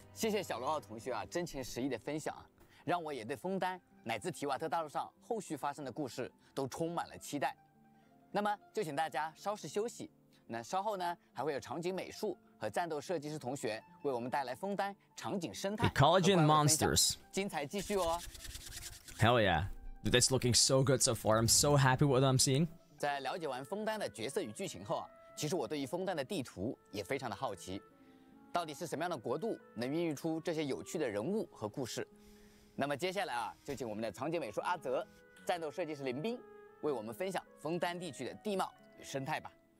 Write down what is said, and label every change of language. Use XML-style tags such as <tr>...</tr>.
<zh>谢谢小罗号同学啊，真情实意的分享，让我也对枫丹乃至提瓦特大陆上后续发生的故事都充满了期待。 那么就请大家稍事休息。那稍后呢还会有场景美术和战斗设计师同学为我们带来枫丹场景生态</zh> <en>Ecology and Monsters</en> <zh>精彩继续哦</zh> <en>Hell yeah Dude, it's looking so good so far I'm so happy with what I'm seeing</en> <zh>在了解完枫丹的角色与剧情后啊其实我对于枫丹的地图也非常的好奇到底是什么样的国度能孕育出这些有趣的人物和故事那么接下来啊就请我们的场景美术阿泽战斗设计师林斌为我们分享枫丹地区的地貌与生态吧</zh>